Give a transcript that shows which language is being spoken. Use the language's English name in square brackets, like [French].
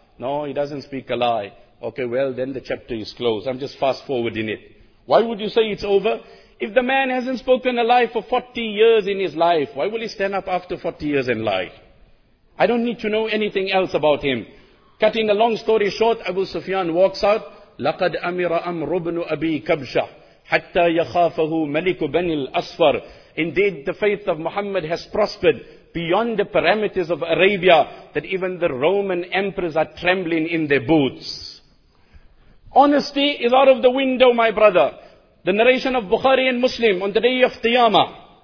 [English] No, he doesn't speak a lie. Okay, well then the chapter is closed. I'm just fast forwarding it. Why would you say it's over? If the man hasn't spoken a lie for 40 years in his life, why will he stand up after 40 years and lie? I don't need to know anything else about him. Cutting a long story short, Abu Sufyan walks out. [Arabic] لَقَدْ أَمِرَ أَمْرُ بْنُ أَبِي كَبْشَةٍ حَتَّى يَخَافَهُ مَلِكُ بَنِ الْأَصْفَرِ. [English] Indeed, the faith of Muhammad has prospered beyond the parameters of Arabia, that even the Roman emperors are trembling in their boots. Honesty is out of the window, my brother. The narration of Bukhari and Muslim on the day of Qiyamah.